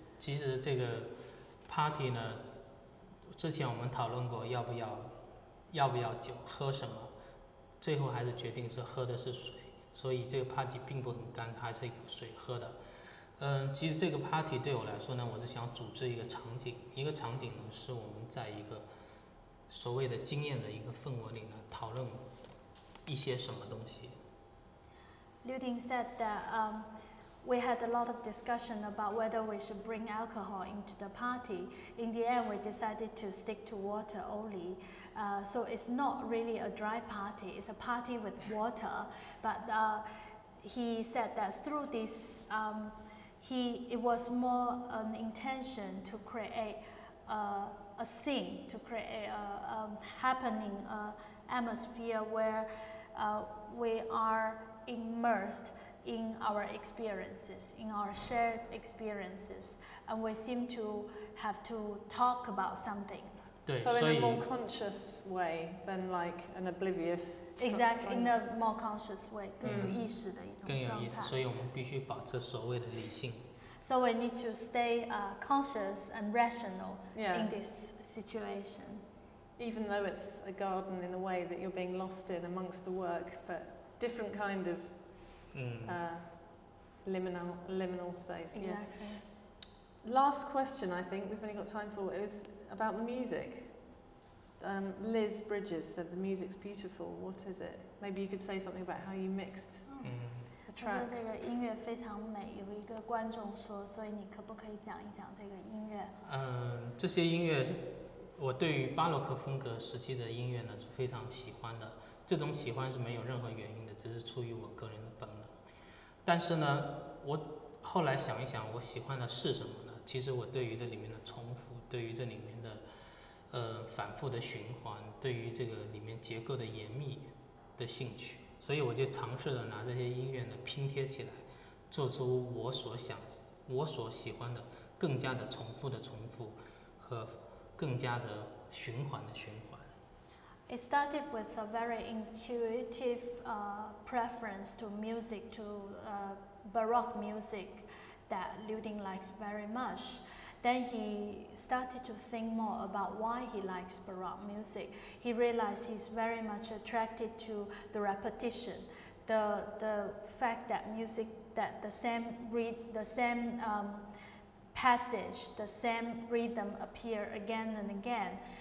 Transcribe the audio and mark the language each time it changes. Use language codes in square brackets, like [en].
[zh] 其实这个 party 呢，之前我们讨论过要不要酒，喝什么，最后还是决定是喝的是水，所以这个 party 并不很干，还是有水喝的。其实这个 party 对我来说呢，我是想组织一个场景，一个场景呢是我们在一个所谓的经验的一个氛围里呢讨论一些什么东西。 [en] Liu Ding said that we had a lot of discussion about whether we should bring alcohol into the party. In the end, we decided to stick to water only. So it's not really a dry party. It's a party with water. But he said that through this, it was more an intention to create a scene, to create a happening atmosphere where we are immersed in our experiences, in our shared experiences, and we seem to have to talk about something. [zh] 对 [en] so in a more conscious way than like an oblivious. Exactly, in a more conscious way, [zh] 更有意识的一种状态。更有意识，所以我们必须保持所谓的理性。 [en] So we need to stay conscious and rational yeah. in this situation. Even though it's a garden in a way that you're being lost in amongst the work, but different kind of liminal space. Exactly. Yeah. Last question, I think, we've only got time for, is about the music. Liz Bridges said the music's beautiful. What is it? Maybe you could say something about how you mixed the tracks. [zh] 这个音乐非常美，有一个观众说，所以你可不可以讲一讲这个音乐？这些音乐，我对于巴洛克风格时期的音乐呢，是非常喜欢的。这种喜欢是没有任何原因的，只是出于我个人的本能。但是呢，我后来想一想，我喜欢的是什么呢？其实我对于这里面的重复，对于这里面的反复的循环，对于这个里面结构的严密的兴趣。所以我就尝试着拿这些音乐呢拼贴起来，做出我所喜欢的更加的重复的重复和更加的循环的循环。 [en] It started with a very intuitive preference to music, to Baroque music that Liu Ding likes very much. Then he started to think more about why he likes Baroque music. He realized he's very much attracted to the repetition, the fact that music, that the same passage, the same rhythm appear again and again.